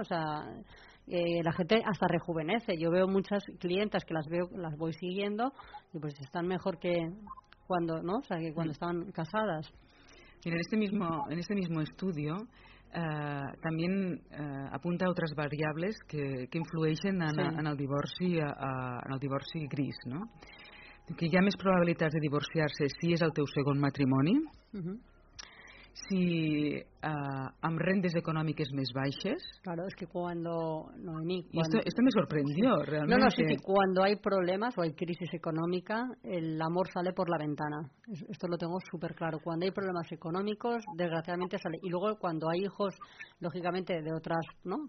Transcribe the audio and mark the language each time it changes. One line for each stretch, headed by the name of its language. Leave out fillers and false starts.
Spanish: O sea, la gente hasta rejuvenece. Yo veo muchas clientas que las voy siguiendo y pues están mejor que cuando, ¿no? O sea, que cuando estaban casadas. Mira, en este mismo estudio también apunta a otras variables que influyen en el divorci gris, ¿no?
Catalan: Que hi ha més probabilitats de divorciar-se si és el teu segon matrimoni, si amb rendes econòmiques més baixes.
Spanish: Claro, es que cuando Noemí, esto me sorprendió realmente. No, sí, que cuando hay problemas o hay crisis económica, el amor sale por la ventana. Esto lo tengo súper claro. Cuando hay problemas económicos, desgraciadamente sale. Y luego cuando hay hijos, lógicamente de otras, ¿no?